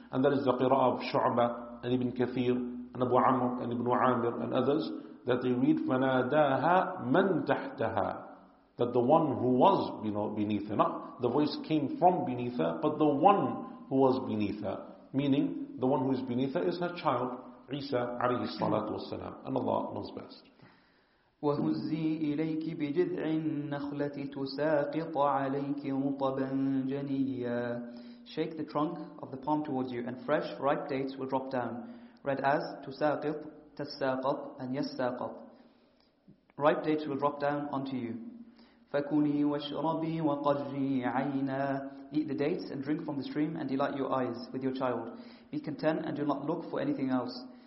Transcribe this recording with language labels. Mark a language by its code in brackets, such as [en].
[en] And that is the qira'ah of Shu'ba and Ibn Kathir and Abu Amr and Ibn Amir and others, that they read, [ar] فَنَادَاهَا مَنْ تَحْتَهَا, [en] that the one who was, you know, beneath her, not the voice came from beneath her, but the one who was beneath her, meaning the one who is beneath her is her child, Isa alayhi salatu wasalam, and Allah knows best. [ar] وهزي إليك بجذع النخلة تساقط عليك رطبا جنيا. [en] Shake the trunk of the palm towards you, and fresh ripe dates will drop down. Read as تساقط, تساقط, and يساقط. Ripe dates will drop down onto you. [ar] فكلي واشربي وقري عينا. [en] Eat the dates and drink from the stream and delight your eyes with your child. Be content and do not look for anything else.